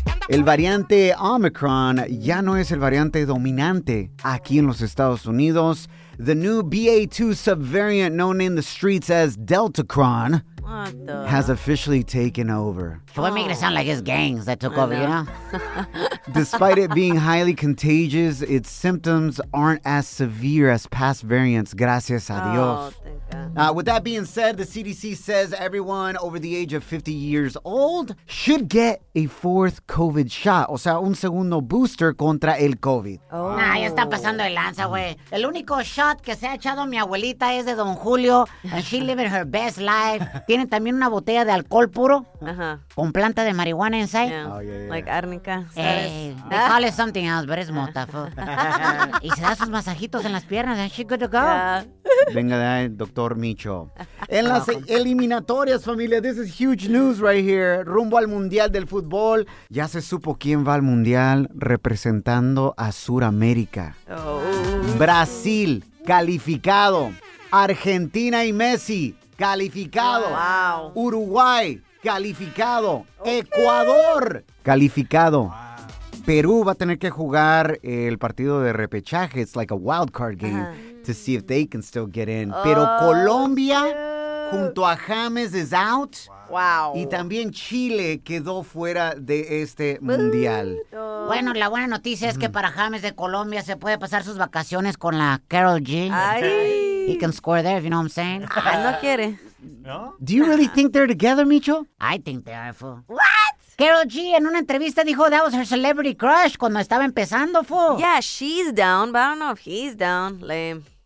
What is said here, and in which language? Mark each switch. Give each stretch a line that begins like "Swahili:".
Spanish: El variante Omicron ya no es el variante dominante aquí en los Estados Unidos.
English: The new BA2 subvariant known in the streets as Deltacron has officially taken over. So what makes it sound like it's gangs that took over, you know? Despite it being highly contagious, its symptoms aren't as severe as past variants,
Spanish: gracias a Dios.
English: With that being said, the CDC says everyone over the age of 50 years old should get a fourth COVID shot.
Spanish: O sea, un segundo booster contra el COVID. Nah, ya está pasando el lanza, güey. El único shot que se ha echado mi abuelita es de Don Julio.
English: And she living her best life.
Spanish: Tienen también una botella de alcohol puro. Con planta de marihuana inside.
English: Yeah. Like arnica. Hey, they call it something else, but it's mota.
Spanish: Y se da sus masajitos en las piernas.
English: And she good to go. Yeah.
Spanish: Venga, doctor Micho. En las eliminatorias, familia,
English: this is huge news right here.
Spanish: Rumbo al Mundial del Fútbol. Ya se supo quién va al Mundial representando a Suramérica. Brasil, calificado. Argentina y Messi, calificado.
English: Oh, wow.
Spanish: Uruguay, calificado. Okay. Ecuador, calificado.
English: Wow.
Spanish: Perú va a tener que jugar el partido de repechaje.
English: It's like a wild card game. To see if they can still get in.
Spanish: Pero Colombia, junto a James,
English: is out. Wow.
Spanish: Y también Chile quedó fuera de este mundial. Bueno, la buena noticia es que para James de Colombia se puede pasar sus vacaciones con la Carol G. Ay.
English: He can score there, if you know what I'm saying.
Spanish: Ay, no quiere. No?
English: Do you really think they're together, Micho? I think they are, fool. What?
Spanish: Carol G en una entrevista dijo
English: that was her celebrity crush
Spanish: cuando estaba empezando,
English: fool. Yeah, she's down, but I don't know if he's down. Lame.